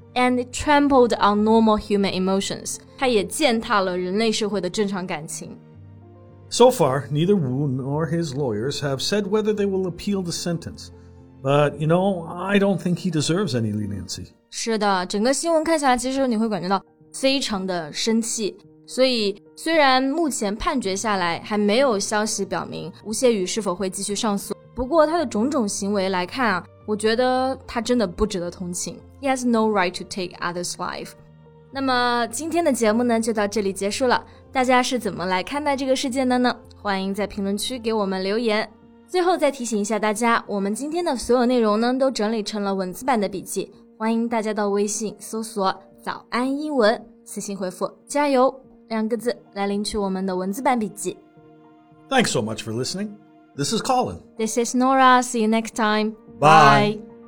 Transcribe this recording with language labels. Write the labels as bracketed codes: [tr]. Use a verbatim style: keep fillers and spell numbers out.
[en] And it trampled on normal human emotions， [zh] 它也践踏了人类社会的正常感情。 [en] So far, neither Wu nor his lawyers have said whether they will appeal the sentence. But, you know, I don't think he deserves any leniency. [zh] 是的，整个新闻看下来，其实你会感觉到非常的生气。所以虽然目前判决下来还没有消息表明吴谢宇是否会继续上诉，不过他的种种行为来看啊，我觉得他真的不值得同情。 [en] He has no right to take others' life. [zh] 那么今天的节目呢，就到这里结束了。大家是怎么来看待这个事件的呢？欢迎在评论区给我们留言。最后再提醒一下大家，我们今天的所有内容呢，都整理成了文字版的笔记。欢迎大家到微信搜索早安英文，私信回复加油两个字来领取我们的文字版笔记。 [en] Thanks so much for listening. This is Colin. This is Nora. See you next time. Bye. Bye.